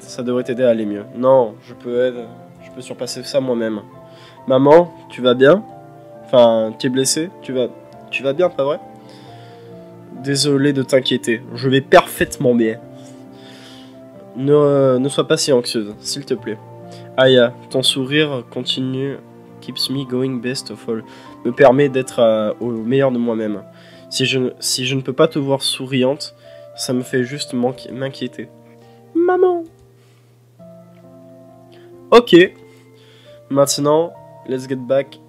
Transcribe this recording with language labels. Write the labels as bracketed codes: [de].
[fr] Ça devrait t'aider à aller mieux. Non, je peux aider. Je peux surpasser ça moi-même. Maman, tu vas bien? Enfin, t'es blessé? Tu vas bien, pas vrai? Désolé de t'inquiéter. Je vais parfaitement bien. Ne sois pas si anxieuse, s'il te plaît. [en] Aya, [fr] ton sourire continue, [en] keeps me going best of all. [fr] Me permet d'être au meilleur de moi-même. Si je ne peux pas te voir souriante, ça me fait juste m'inquiéter. Maman! Ok. [en] Maintenant, let's get back.